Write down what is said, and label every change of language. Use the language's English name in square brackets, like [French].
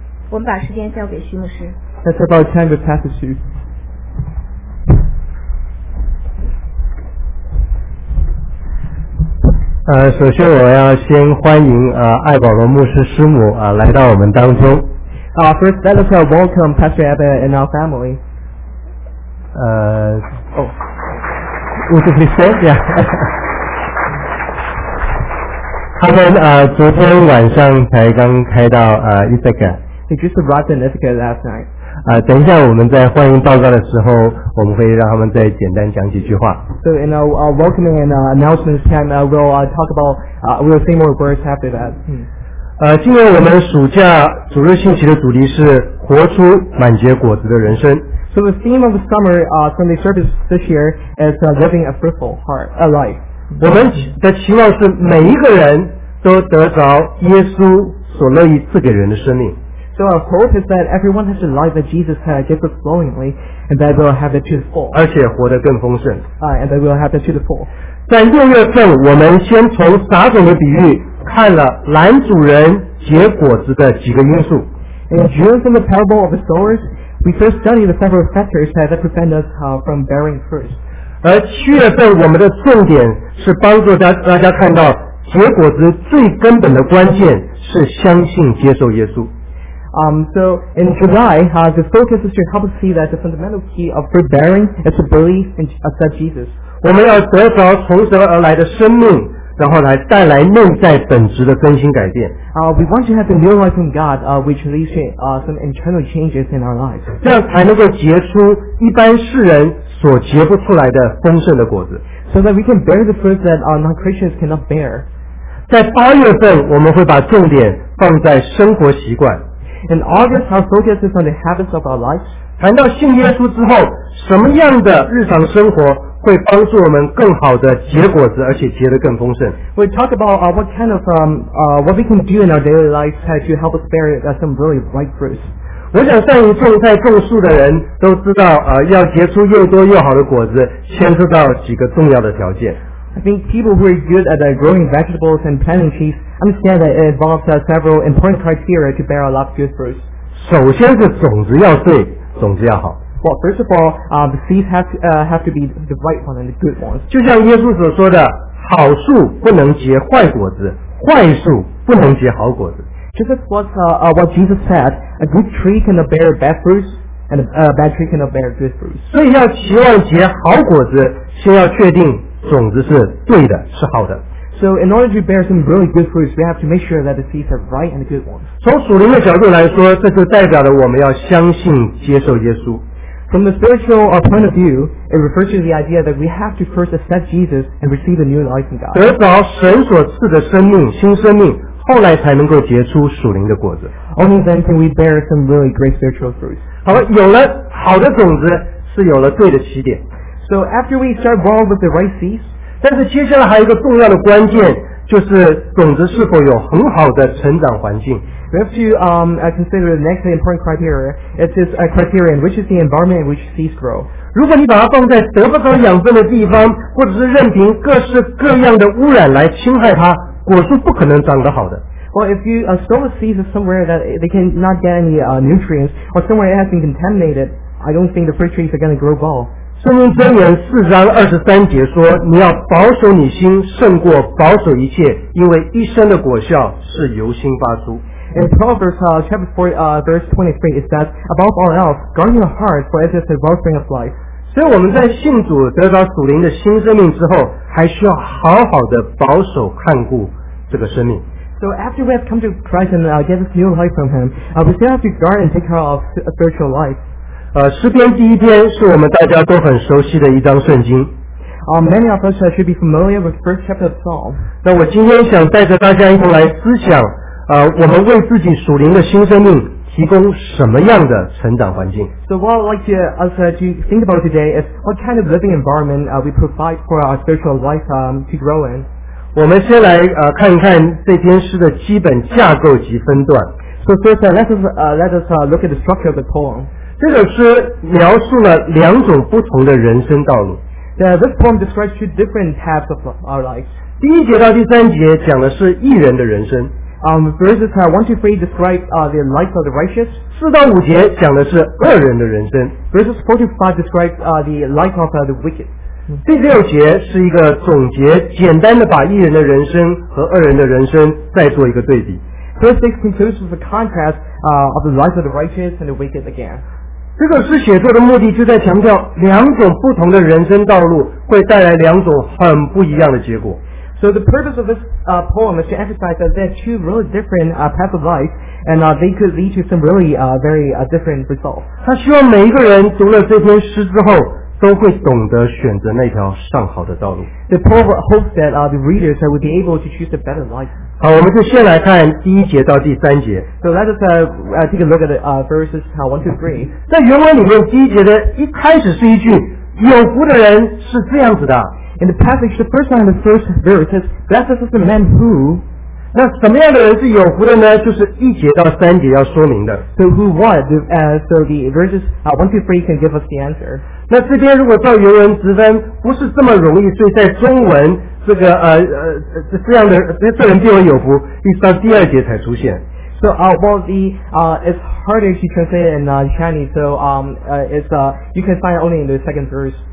[Chinese] 我们把时间交给徐牧师。 [English] That's about time to pass the shoes. [Chinese] 首先我要先欢迎艾保罗牧师师母来到我们当中。 [English] First, let us welcome Pastor Abel and our family. Would you please say? Yeah. [Chinese] 他们昨天晚上才刚开到Ithaca. [English] They just arrived in Ithaca last night. [Chinese] 等一下我们在欢迎报告的时候，我们会让他们再简单讲几句话。 [English] So in our welcoming and announcements time, we'll say more words after that. [Chinese] 今年我们暑假主日信息的主题是活出满结果子的人生。 [English] So the theme of the summer Sunday service this year is living a fruitful heart, a life. [Chinese] 我们的期望是每一个人都得着耶稣所乐意赐给人的生命。 [English] So our hope is that everyone has a life that Jesus gives us flowingly, and that we'll have it to the full. [Chinese] 而且活得更丰盛。 [English] And that we'll have it to the full. [Chinese] 在六月份，我们先从撒种的比喻看了男主人结果子的几个因素。 [English] In June, from the parable of the sowers, we first studied the several factors that prevent us from bearing fruit. [Chinese] 而七月份，我们的重点是帮助大家看到结果子最根本的关键是相信接受耶稣。 [English] So in July, the focus is to help us see that the fundamental key of fruit bearing is to believe in Jesus. [Chinese] 我们要得着从神而来的生命，然后来带来内在本质的更新改变。 [English] We want to have the new life from God, which leads to some internal changes in our lives. [Chinese] 这样才能够结出一般世人所结不出来的丰盛的果子。 [English] So that we can bear the fruit that non-Christians cannot bear. [Chinese] 在八月份，我们会把重点放在生活习惯。 [English] In August, our focus is on the habits of our lives. [Chinese] 谈到信耶稣之后，什么样的日常生活会帮助我们更好的结果子，而且结得更丰盛？ [English] We talk about what kind of what we can do in our daily lives to help us bear some really ripe fruits. [Chinese] 我想善于种菜种树的人都知道，要结出又多又好的果子，牵涉到几个重要的条件。 [English] I think people who are good at growing vegetables and planting trees understand that it involves several important criteria to bear a lot of good fruits. [Chinese] 首先是种子要对，种子要好。 [English] Well, first of all, the seeds have to be the right one and the good ones. [Chinese] 就像耶稣所说的，好树不能结坏果子，坏树不能结好果子。 [English] Just as what Jesus said, a good tree cannot bear bad fruits, and a bad tree cannot bear good fruits. [Chinese] 所以要期望结好果子，先要确定种子是对的，是好的。 [English] So in order to bear some really good fruits, we have to make sure that the seeds are right and good ones. [Chinese] 从属灵的角度来说，这就代表了我们要相信接受耶稣。 [English] From the spiritual point of view, it refers to the idea that we have to first accept Jesus and receive a new life from God. [Chinese] 得着神所赐的生命，新生命，后来才能够结出属灵的果子。 [English] Only then can we bear some really great spiritual fruits. [Chinese] 好了，有了好的种子，是有了对的起点。 [English] So after we start growing with the right seeds, [Chinese] 但是接下来还有一个重要的关键，就是种子是否有很好的成长环境。 [English] We have to consider the next important criteria. It is a criterion, which is the environment in which seeds grow. [Chinese] 如果你把它放在得不到养分的地方，或者是任凭各式各样的污染来侵害它，果树不可能长得好的。 [English] Well, if you store the seeds somewhere that they cannot get any nutrients, or somewhere it has been contaminated, I don't think the fruit trees are going to grow well. [Chinese] 圣经箴言四章二十三节说：“你要保守你心，胜过保守一切，因为一生的果效是由心发出。” [English] In Proverbs chapter 4, verse 23, it says, "Above all else, guard your heart, for it is the wellspring of life." [Chinese] 所以我们在信主得到属灵的新生命之后，还需要好好的保守看顾这个生命。 [English] So after we have come to Christ and get this new life from Him, we still have to guard and take care of spiritual life. [Chinese] 诗篇第一篇是我们大家都很熟悉的一章圣经。 [English] Many of us should be familiar with the first chapter of Psalm. [Chinese] 那我今天想带着大家一同来思想。我们为自己属灵的新生命提供什么样的成长环境？ [English] So what I'd like us to think about today is what kind of living environment we provide for our spiritual life to grow in. [Chinese] 我们先来看一看这篇诗的基本架构及分段。 [English] So first, let us look at the structure of the poem. [Chinese] 这首诗描述了两种不同的人生道路。 [English] This poem describes two different paths of our lives. [Chinese] 第一节到第三节讲的是义人的人生。 [English] Verses 1 to 3 describe the life of the righteous. [Chinese] 四到五节讲的是恶人的人生。 [English] Verses 4 to 5 describe the life of the wicked. [Chinese] 第六节是一个总结，简单的把义人的人生和恶人的人生再做一个对比。 [English] Verse 6 concludes with a contrast of the life of the righteous and the wicked again. [Chinese] 这个诗写作的目的就在强调，两种不同的人生道路会带来两种很不一样的结果。 [English] So the purpose of this poem is to emphasize that there are two really different paths of life, and they could lead to some really very different results. [Chinese] 他希望每一个人读了这篇诗之后，都会懂得选择那条上好的道路。 [English] The poem hopes that the readers would be able to choose a better life. [Chinese] 好，我们就先来看第一节到第三节。 [English] So let us take a look at the verses 1-3. [Chinese] 在原文里面，第一节的一开始是一句“有福的人是这样子的”。 [English] In the passage, the first line of the first verse says, "Blessed is the man who." [Chinese] 那什么样的人是有福的呢？就是一节到三节要说明的。 [English] So who what? So the verses 1-3 can give us the answer. [Chinese] 那这边如果照原文直翻，不是这么容易。所以在中文这个这样的这人必为有福，一直到第二节才出现。 [English] So it's harder to translate in Chinese. So you can find only in the second verse.